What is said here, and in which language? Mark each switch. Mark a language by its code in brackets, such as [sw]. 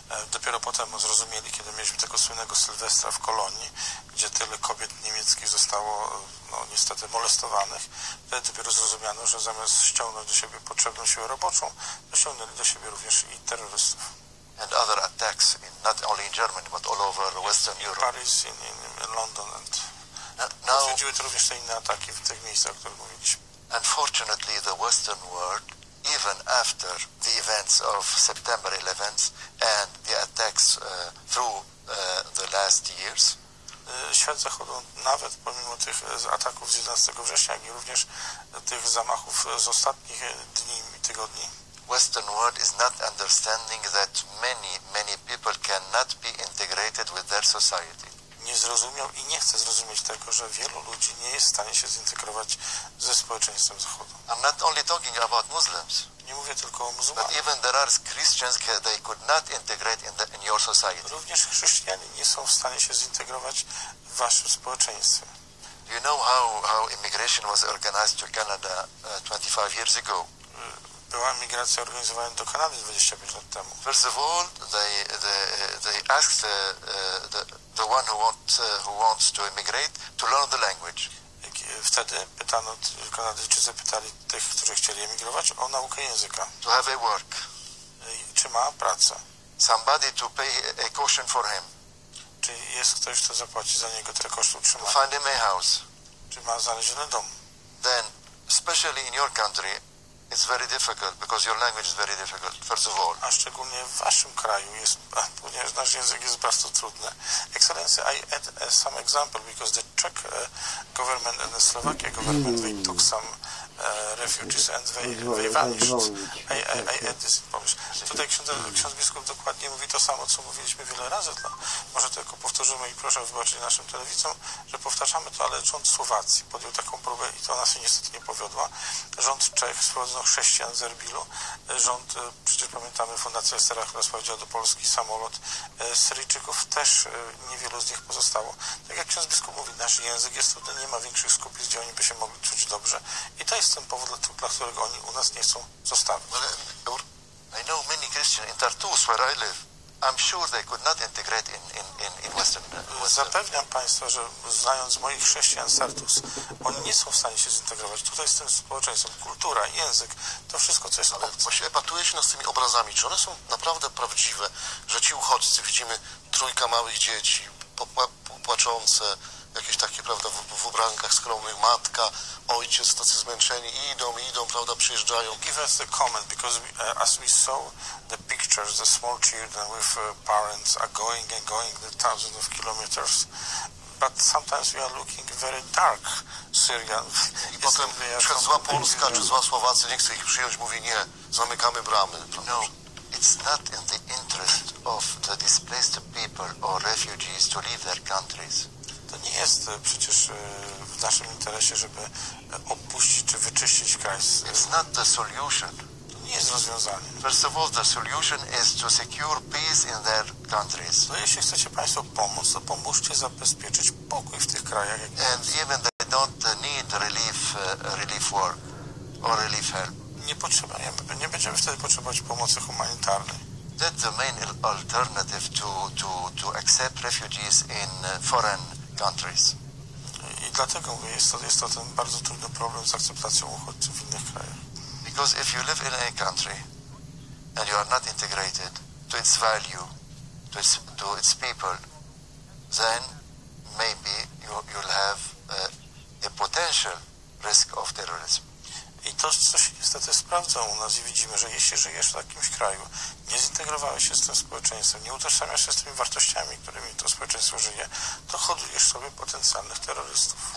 [pl] Dopiero potem zrozumieli, kiedy mieliśmy tego słynnego Sylwestra w Kolonii, gdzie tyle kobiet niemieckich zostało, no niestety, molestowanych. Wtedy dopiero zrozumiano, że zamiast ściągnąć do siebie potrzebną siłę roboczą, ściągnęli do siebie również i terrorystów. [en] And other attacks, not only in Germany, but all over Western Europe. Paris, in London. And now, [pl] potwierdziły to również te inne ataki w tych miejscach, o których mówiliśmy. [en] Unfortunately, the Western world, even after the events of September 11th and the attacks through the last years, [pl] świat zachodu, nawet pomimo tych ataków z 11 września, jak i również tych zamachów z ostatnich dni i tygodni, [en] Western world is not understanding that many people cannot be integrated with their society. [pl] Nie zrozumiał i nie chce zrozumieć tego, że wielu ludzi nie jest w stanie się zintegrować ze społeczeństwem zachodu. [en] I'm not only talking about Muslims. [pl] Nie mówię tylko o muzułmanach. [en] But even there are Christians, they could not integrate in your society. [pl] Również chrześcijanie nie są w stanie się zintegrować w waszym społeczeństwie. [en] You know how immigration was organized to Canada 25 years ago? [pl] Była migracja organizowana do Kanady 25 lat temu. [en] First of all, they asked the one who wants to immigrate to learn the language. [pl] Wtedy pytano, Kanadyjczycy pytali tych, którzy chcieli emigrować, o naukę języka. [en] To have a work. [pl] Czy ma pracę? [en] Somebody to pay a caution for him. [pl] Czy jest ktoś, kto zapłaci za niego te koszty utrzymania? [en] To find him a house. [pl] Czy ma znaleziony dom? [en] Then, especially in your country, it's very difficult because your language is very difficult, first of all. [pl] A szczególnie w waszym kraju jest, ponieważ nasz język jest bardzo trudny. [en] Excellency, I add some example because the Czech government and the Slovakia government, they took some refugees and they vanished. I add this information. [pl] Tutaj ksiądz biskup dokładnie mówi to samo, co mówiliśmy wiele razy. No, może tylko powtórzymy i proszę wybaczyć naszym telewidzom, że powtarzamy to, ale rząd Słowacji podjął taką próbę i to nas niestety nie powiodła. Rząd Czech sprowadzono chrześcijan z Erbilu. Rząd, przecież pamiętamy, Fundacja Estera, która sprowadziła do Polski samolot. Syryjczyków też niewielu z nich pozostało. Tak jak ksiądz biskup mówi, nasz język jest trudny, nie ma większych skupisk, gdzie oni by się mogli czuć dobrze. I to jest ten powód, dla którego oni u nas nie chcą zostawić. [en] I know many Christians in Tartus, where I live. I'm sure they could not integrate in Western. [pl] Zapewniam państwa, że znając moich chrześcijan z Tartus, oni nie są w stanie się zintegrować. Tutaj z tym społeczeństwem, kultura, język, to wszystko, co jest obce. Właśnie epatuje się nas tymi obrazami. Czy one są naprawdę prawdziwe, że ci uchodźcy, widzimy trójka małych dzieci, płaczące, jakieś takie, prawda, w ubrankach skromnych, matka, ojciec, tacy zmęczeni, idą, prawda, przyjeżdżają. [en] Give us a comment, because as we saw the pictures, the small children with parents are going and going the thousands of kilometers, but sometimes we are looking very dark, Syrian. [pl] I potem, na przykład zła Polska, czy zła Słowacja nie chce ich przyjąć, mówi nie, zamykamy bramy. [en] No, it's not in the interest of the displaced people or refugees to leave their countries. [pl] To nie jest przecież w naszym interesie, żeby opuścić czy wyczyścić kraj. [en] It's not the solution. [pl] To nie jest rozwiązanie. [en] First of all, the solution is to secure peace in their countries. [pl] To jeśli chcecie państwo pomóc, to pomóżcie zabezpieczyć pokój w tych krajach. [en] And even they don't need relief work or relief help. [pl] Nie potrzebujemy, nie będziemy wtedy potrzebować pomocy humanitarnej. [en] That's the main alternative to accept refugees in foreign countries. [pl] I dlatego mówię, jest to ten bardzo trudny problem z akceptacją uchodźców w innych krajach. [en] Because if you live in a country and you are not integrated to its value, to its people, then maybe you'll have a potential risk of terrorism. [pl] I to, co się niestety sprawdza u nas i widzimy, że jeśli żyjesz w jakimś kraju, nie zintegrowałeś się z tym społeczeństwem, nie utożsamiasz się z tymi wartościami, którymi to społeczeństwo żyje, to hodujesz sobie potencjalnych terrorystów.